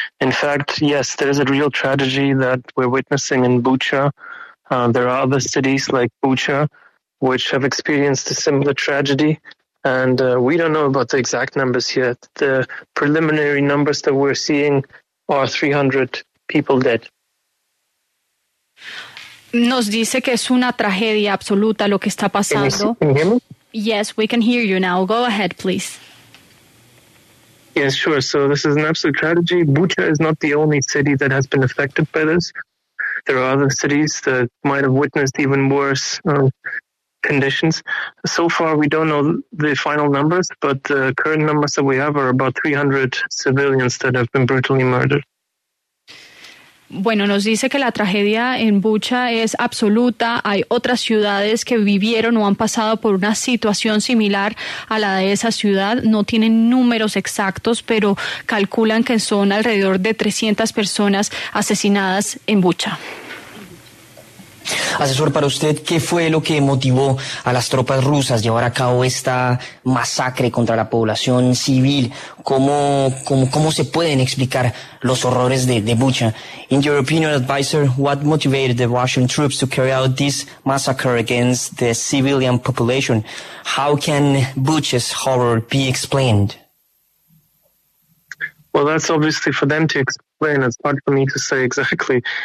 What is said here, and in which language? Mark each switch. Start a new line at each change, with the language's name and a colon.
English: In fact, yes, there is a real tragedy that we're witnessing in Bucha. There are other cities like Bucha, which have experienced a similar tragedy. And we don't know about the exact numbers yet. The preliminary numbers that we're seeing are 300 people dead.
Spanish: Nos dice que es una tragedia absoluta lo que está pasando.
English: Can you hear me? Yes, we can hear you now. Go ahead, please. Yes, sure. So this is an absolute tragedy. Bucha is not the only city that has been affected by this. There are other cities that might have witnessed even worse conditions. So far, we don't know the final numbers, but the current numbers that we have are about 300 civilians that have been brutally murdered.
Spanish: Bueno, nos dice que la tragedia en Bucha es absoluta. Hay otras ciudades que vivieron o han pasado por una situación similar a la de esa ciudad. No tienen números exactos, pero calculan que son alrededor de 300 personas asesinadas en Bucha. Asesor, para usted, ¿qué fue lo que motivó a las tropas rusas llevar a cabo esta masacre contra la población civil? ¿Cómo se pueden explicar los horrores de Bucha?
English: In your opinion, advisor, what motivated the Russian troops to carry out this massacre against the civilian population? How can Bucha's horror be explained? Well, that's obviously for them to explain. It's hard for me to say exactly.